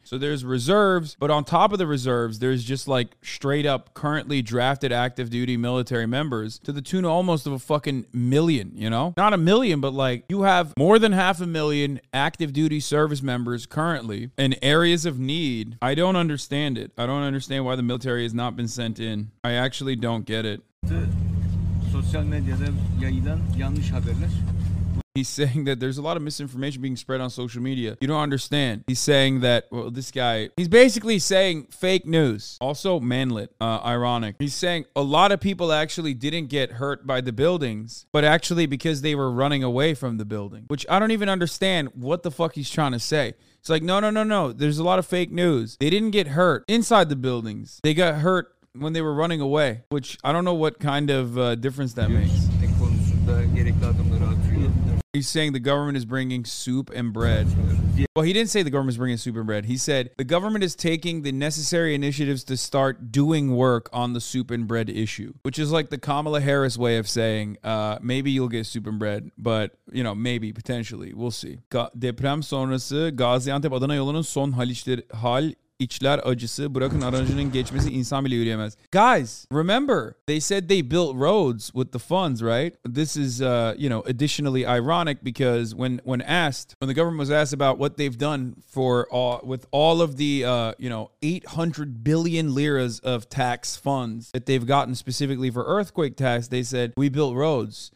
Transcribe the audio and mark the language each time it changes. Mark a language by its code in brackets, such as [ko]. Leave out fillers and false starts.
[en] So there's reserves, but on top of the reserves, there's just like straight up currently drafted active duty military members to the tune of almost of a fucking million, you know? Not a million, but like you have more than 500,000 active duty service members currently in areas of need. I don't understand it. I don't understand why the military has not been sent in. I actually don't get it. [tr] Sosyal medyada yayılan yanlış haberler. [en] He's saying that there's a lot of misinformation being spread on social media. You don't understand. He's saying that, well, this guy, he's basically saying fake news. Also, manlit, ironic. He's saying a lot of people actually didn't get hurt by the buildings, but actually because they were running away from the building, which I don't even understand what the fuck he's trying to say. It's like, no. There's a lot of fake news. They didn't get hurt inside the buildings. They got hurt when they were running away, which I don't know what kind of difference that makes. He's saying the government is bringing soup and bread. Well, he didn't say the government is bringing soup and bread. He said the government is taking the necessary initiatives to start doing work on the soup and bread issue, which is like the Kamala Harris way of saying maybe you'll get soup and bread, but, you know, maybe, potentially. We'll see. [tr] Deprem sonrası Gaziantep-Adana yolunun son hal İçler acısı. Bırakın aracının geçmesi, insan bile yürüyemez. [en] Guys, remember, they said they built roads with the funds, right? This is, you know, additionally ironic because when asked, when the government was asked about what they've done for with all of the, you know, 800 billion liras of tax funds that they've gotten specifically for earthquake tax, they said, we built roads.